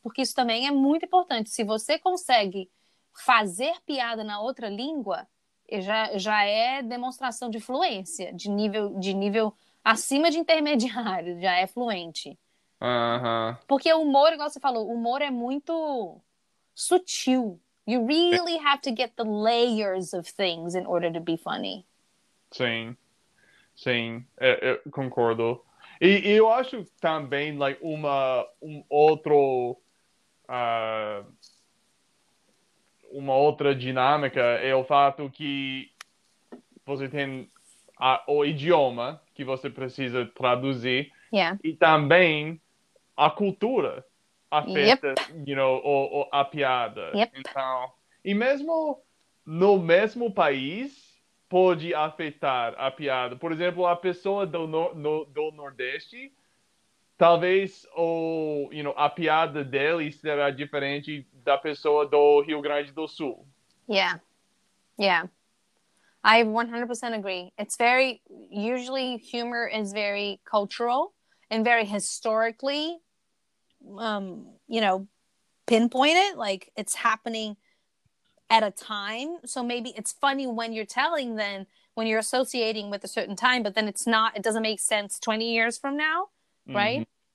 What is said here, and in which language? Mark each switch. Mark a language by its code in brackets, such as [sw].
[pt] Porque isso também é muito importante. Se você consegue fazer piada na outra língua, já é demonstração de fluência, de nível acima de intermediário, já é fluente. Porque o humor, igual você falou, o humor é muito sutil. [en] You really have to get the layers of things in order to be funny. [pt] Sim. Eu concordo. E eu acho também, like, uma outra dinâmica é o fato que você tem o idioma que você precisa traduzir. [en] Yeah. [pt] E também a cultura afeta, [en] you know, [pt] a piada. [en] Yep. [pt] Então, e mesmo no mesmo país pode afetar a piada. Por exemplo, a pessoa do Nordeste, talvez a piada dele será diferente da pessoa do Rio Grande do Sul. [en] Yeah. Yeah. I 100% agree. It's very, usually humor is very cultural and very historically, pinpoint it, like it's happening at a time. So maybe it's funny when you're telling, then when you're associating with a certain time, but then it doesn't make sense 20 years from now, right?